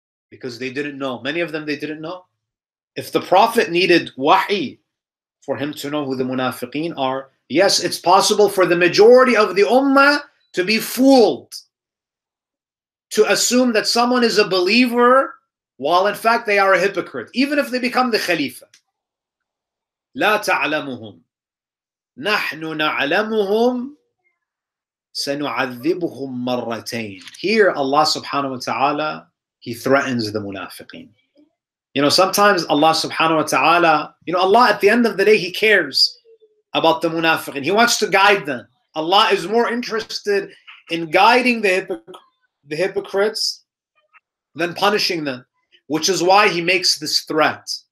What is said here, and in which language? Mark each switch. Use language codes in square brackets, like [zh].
[en] Because they didn't know. Many of them, they didn't know. If the Prophet needed wahi for him to know who the munafiqeen are, yes, it's possible for the majority of the ummah to be fooled, to assume that someone is a believer while in fact they are a hypocrite, even if they become the khalifa. [ar] لا تعلمهم نحن نعلمهم سنعذبهم مرتين. [en] Here Allah subhanahu wa ta'ala, he threatens the munafiqeen. You know, sometimes Allah subhanahu wa ta'ala, you know, Allah at the end of the day, he cares about the munafiqeen. He wants to guide them. Allah is more interested in guiding the hypocrites than punishing them, which is why he makes this threat.